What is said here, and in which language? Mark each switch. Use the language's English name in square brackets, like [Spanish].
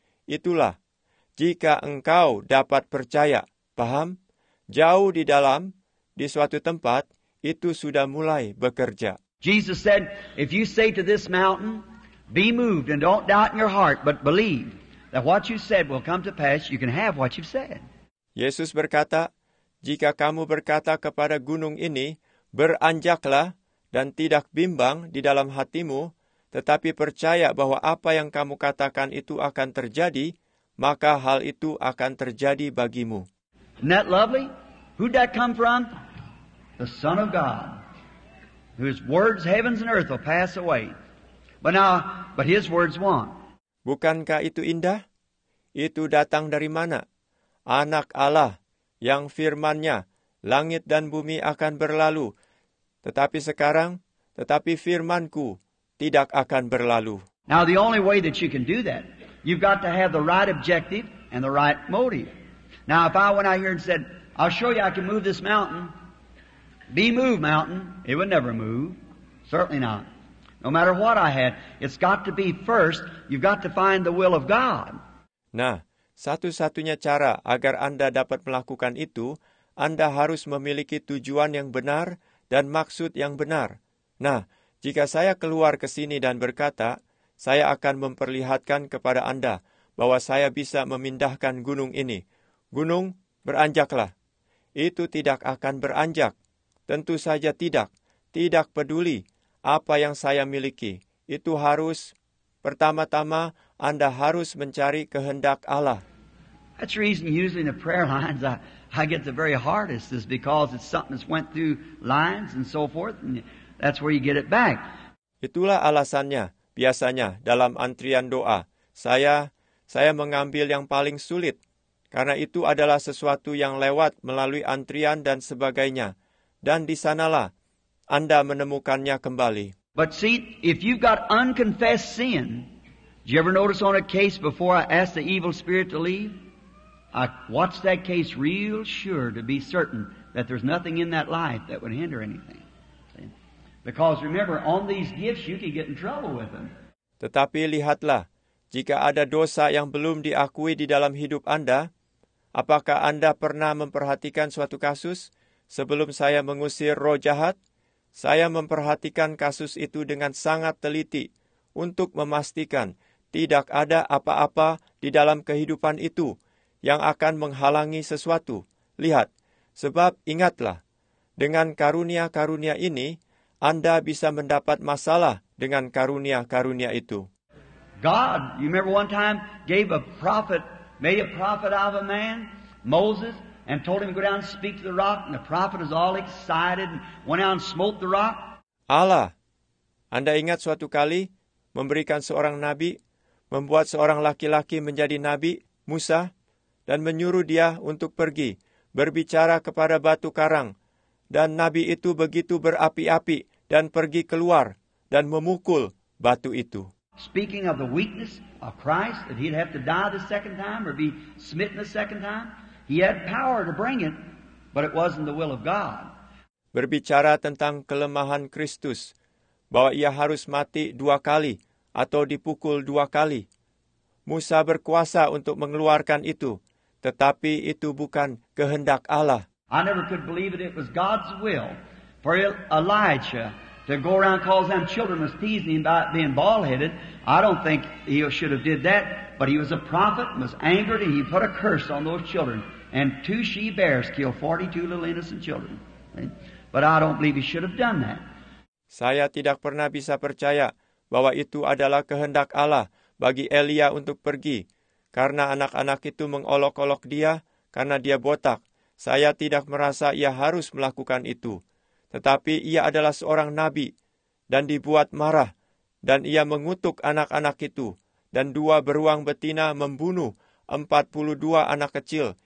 [Indonesian] Itulah, jika engkau dapat percaya, paham? Jauh di dalam, di suatu tempat, itu sudah mulai bekerja. [English] Jesus said, if you say to this mountain, be moved and don't doubt in your heart, but believe that what you said will come to pass, you can have what you've said. [Indonesian] Yesus berkata, jika kamu berkata kepada gunung ini, beranjaklah dan tidak bimbang di dalam hatimu, tetapi percaya bahwa apa yang kamu katakan itu akan terjadi, maka hal itu akan terjadi bagimu. [English] Isn't that lovely? Who'd that come from? The Son of God, whose words heavens and earth will pass away. But his words won't. [Indonesian] Bukankah itu indah? Itu datang dari mana? Anak Allah yang firman-Nya langit dan bumi akan berlalu, tetapi sekarang, tetapi firman-Ku tidak akan berlalu. [English] Now the only way that you can do that, you've got to have the right objective and the right motive. Now if I went out here and said, I'll show you I can move this mountain, be moved mountain, it would never move, certainly not. No matter what I had, it's got to be first, you've got to find the will of God. [Indonesian] Nah, satu-satunya cara agar Anda dapat melakukan itu, Anda harus memiliki tujuan yang benar dan maksud yang benar. Nah, jika saya keluar ke sini dan berkata, saya akan memperlihatkan kepada Anda bahwa saya bisa memindahkan gunung ini. Gunung, beranjaklah. Itu tidak akan beranjak. Tentu saja tidak. Tidak peduli apa yang saya miliki. Itu harus, pertama-tama, Anda harus mencari kehendak Allah. [English] That's the reason usually in the prayer lines I get the very hardest is because it's something that's went through lines and so forth, and that's where you get it back. [Indonesian] Itulah alasannya, biasanya, dalam antrian doa. Saya mengambil yang paling sulit, karena itu adalah sesuatu yang lewat melalui antrian dan sebagainya. Dan di sanalah Anda menemukannya kembali. [English] But see, if you've got unconfessed sin, did you ever notice on a case before I asked the evil spirit to leave? I watched that case real sure to be certain that there's nothing in that life that would hinder anything. See? Because remember, on these gifts you can get in trouble with them. [Indonesian] Tetapi lihatlah, jika ada dosa yang belum diakui di dalam hidup Anda, apakah Anda pernah memperhatikan suatu kasus sebelum saya mengusir roh jahat? Saya memperhatikan kasus itu dengan sangat teliti untuk memastikan tidak ada apa-apa di dalam kehidupan itu yang akan menghalangi sesuatu. Lihat, sebab ingatlah, dengan karunia-karunia ini, Anda bisa mendapat masalah dengan karunia-karunia itu. [English] God, you remember one time, gave a prophet, made a prophet out of a man, Moses, and told him to go down and speak to the rock, and the prophet was all excited and went out and smote the rock. [Indonesian] Allah, Anda ingat suatu kali memberikan seorang nabi, membuat seorang laki-laki menjadi nabi, Musa, dan menyuruh dia untuk pergi, berbicara kepada batu karang. Dan nabi itu begitu berapi-api dan pergi keluar dan memukul batu itu. [English] Speaking of the weakness of Christ, that he'd have to die the second time or be smitten the second time, he had power to bring it, but it wasn't the will of God. [Indonesian] Berbicara tentang kelemahan Kristus, bahwa ia harus mati dua kali atau dipukul dua kali. Musa berkuasa untuk mengeluarkan itu, tetapi itu bukan kehendak Allah. [English] I never could believe it. It was God's will for Elijah to go around calling them children was teasing him about being bald-headed. I don't think he should have did that. But he was a prophet and was angered, and he put a curse on those children. And two she-bears killed 42 little innocent children. But I don't believe he should have done that. [Indonesian] Saya tidak pernah bisa percaya bahwa itu adalah kehendak Allah bagi Elia untuk pergi. Karena anak-anak itu mengolok-olok dia, karena dia botak. Saya tidak merasa ia harus melakukan itu. Tetapi ia adalah seorang nabi, dan dibuat marah, dan ia mengutuk anak-anak itu. Dan dua beruang betina membunuh 42 anak kecil